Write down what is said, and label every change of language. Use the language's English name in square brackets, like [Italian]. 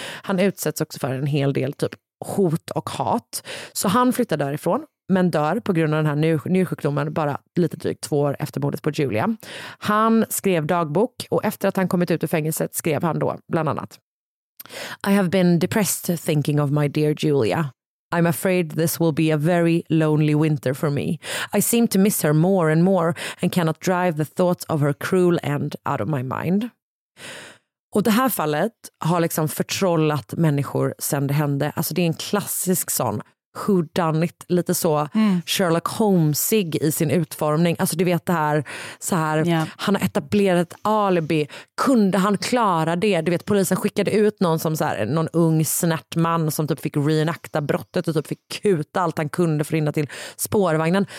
[Swedish] Han utsätts också för en hel del typ hot och hat. Så han flyttar därifrån, men dör på grund av den här njursjukdomen bara lite drygt 2 år efter mordet på Julia. Han skrev dagbok, och efter att han kommit ut ur fängelset skrev han då bland annat: [English] I have been depressed thinking of my dear Julia. I'm afraid this will be a very lonely winter for me. I seem to miss her more and more and cannot drive the thought of her cruel end out of my mind. [Swedish] Och det här fallet har liksom förtrollat människor sedan det hände. Alltså det är en klassisk sån whodunit, lite så Sherlock Holmesig i sin utformning. Alltså du vet det här, så här, han har etablerat ett alibi. Kunde han klara det? Du vet, polisen skickade ut någon som så här, någon ung snärt man som typ fick reenakta brottet och typ fick kuta allt han kunde för att hinna till spårvagnen.